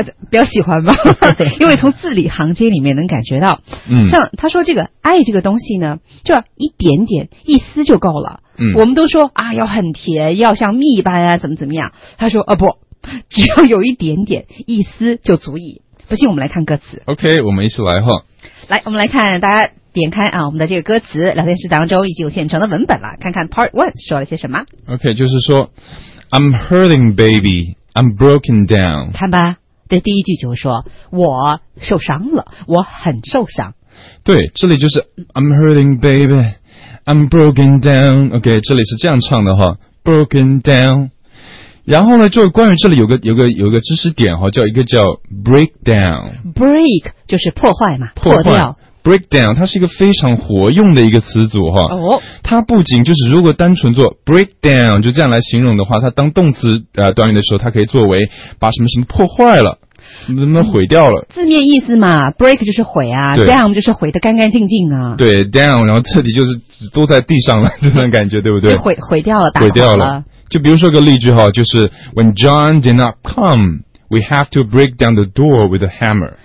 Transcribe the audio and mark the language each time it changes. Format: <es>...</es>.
<zh>比较喜欢吧，因为从字里行间里面能感觉到像他说这个爱这个东西呢就一点点一丝就够了，我们都说啊要很甜要像蜜般啊怎么怎么样，他说不，只要有一点点一丝就足以，不信我们来看歌词。 OK 我们一起来哈，来我们来看大家点开啊，我们的这个歌词聊天室当中已经有现成的文本了，看看 Part 1说了些什么。</zh> <en>OK</en> <zh>就是说</zh> <en>I'm hurting baby I'm broken down，</en> <zh>看吧，对，第一句就是说我受伤了，我很受伤。对，这里就是</zh> <en>I'm hurting baby I'm broken down，</en> <zh>OK 这里是这样唱的哈， broken down。然后呢就关于这里有个知识点哈，叫一个叫 breakdown， break 就是破坏嘛，破掉。 Breakdown 它是一个非常活用的一个词组哈，它不仅就是如果单纯做 breakdown 就这样来形容的话，它当动词短语的时候它可以作为把什么什么破坏了什么毁掉了，字面意思嘛， break 就是毁啊， down 就是毁得干干净净啊，对， down 然后彻底就是都在地上了这种感觉，对不对，毁掉了，毁掉了。就比如说个例句哈，就是</zh> <en>When John did not comeWe have to break down the door with a hammer.</en>